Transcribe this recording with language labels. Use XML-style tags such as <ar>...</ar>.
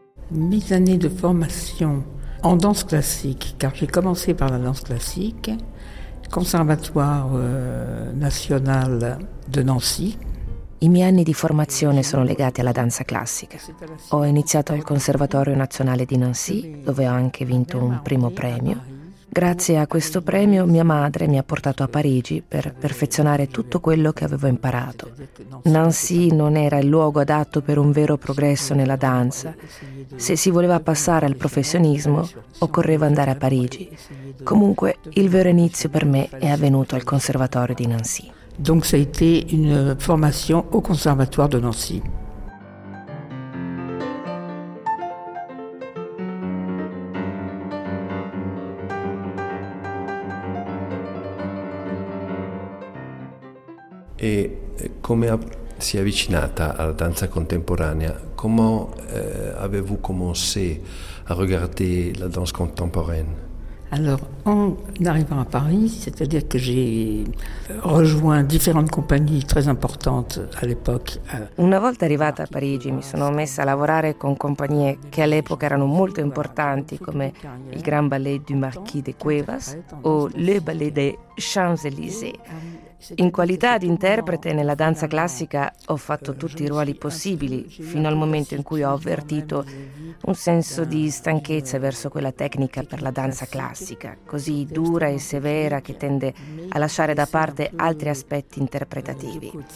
<fr>Mes années de formation en danse classique, car j'ai commencé par la danse classique, Conservatoire National de Nancy.</fr> <it>I miei anni di formazione sono legati alla danza classica. Ho iniziato al Conservatorio Nazionale di Nancy, dove ho anche vinto un primo premio. Grazie a questo premio mia madre mi ha portato a Parigi per perfezionare tutto quello che avevo imparato. Nancy non era il luogo adatto per un vero progresso nella danza. Se si voleva passare al professionismo, occorreva andare a Parigi. Comunque, il vero inizio per me è avvenuto al Conservatorio di Nancy.</it> <fr>Donc ça a été une formation au Conservatoire de Nancy.</fr> <it>E come si è avvicinata alla danza contemporanea?</it> <fr>Comment avez-vous commencé à regarder la danse contemporaine? Alors, en arrivant à Paris, c'est-à-dire que j'ai rejoint différentes compagnies très importantes à l'époque.</fr> <it>Una volta arrivata a Parigi, mi sono messa a lavorare con compagnie che all'epoca erano molto importanti, come il Gran Ballet du Marquis de Cuevas o Le Ballet des Champs-Élysées. In qualità di interprete nella danza classica ho fatto tutti i ruoli possibili fino al momento in cui ho avvertito un senso di stanchezza verso quella tecnica per la danza classica, così dura e severa che tende a lasciare da parte altri aspetti interpretativi.</it>